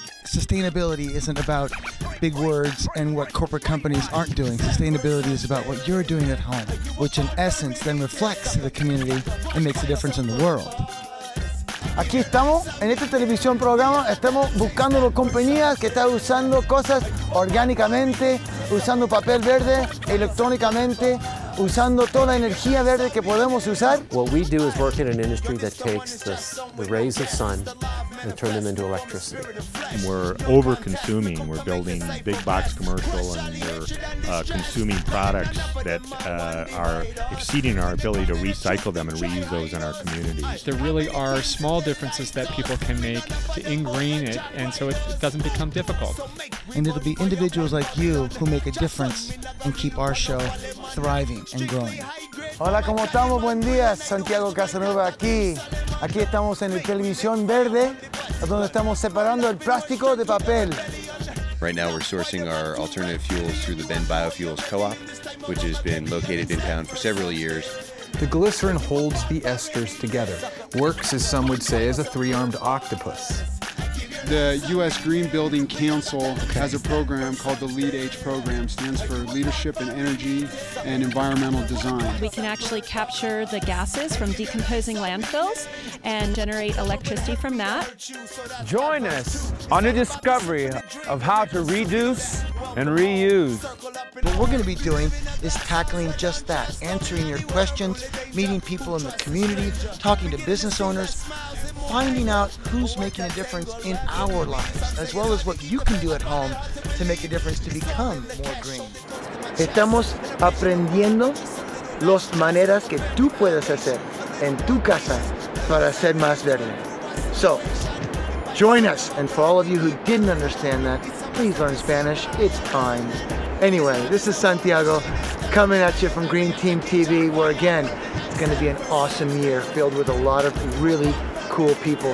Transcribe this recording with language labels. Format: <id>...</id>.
<en>Sustainability isn't about big words and what corporate companies aren't doing. Sustainability is about what you're doing at home, which in essence then reflects to the community and makes a difference in the world.</en> <es>Aquí estamos en este televisión programa. Estamos buscando las compañías que están usando cosas orgánicamente, usando papel verde, electrónicamente, usando toda la energía verde que podemos usar.</es> <en>What we do is work in an industry that takes the rays of sun and turn them into electricity. We're over-consuming. We're building big box commercial, and we're consuming products that are exceeding our ability to recycle them and reuse those in our communities. There really are small differences that people can make to ingrain it, and so it doesn't become difficult. And it'll be individuals like you who make a difference and keep our show thriving and growing.</en> <es>Hola, ¿cómo estamos? Buen día. Santiago Casanova aquí. Aquí estamos en el Televisión Verde, donde estamos separando el plástico de papel.</es> <en>Right now we're sourcing our alternative fuels through the Bend Biofuels Co-op, which has been located in town for several years. The glycerin holds the esters together, works, as some would say, as a three-armed octopus. The U.S. Green Building Council has a program called the LEED H program, stands for Leadership in Energy and Environmental Design. We can actually capture the gases from decomposing landfills and generate electricity from that. Join us on a discovery of how to reduce and reuse. What we're going to be doing is tackling just that, answering your questions, meeting people in the community, talking to business owners, finding out who's making a difference in our lives, as well as what you can do at home to make a difference to become more green.</en> <es>Estamos aprendiendo las maneras que tú puedes hacer en tu casa para ser más verde.</es> <en>So, join us. And for all of you who didn't understand that, please learn Spanish. It's time. Anyway, this is Santiago coming at you from Green Team TV, where again, it's going to be an awesome year filled with a lot of really cool people.</en>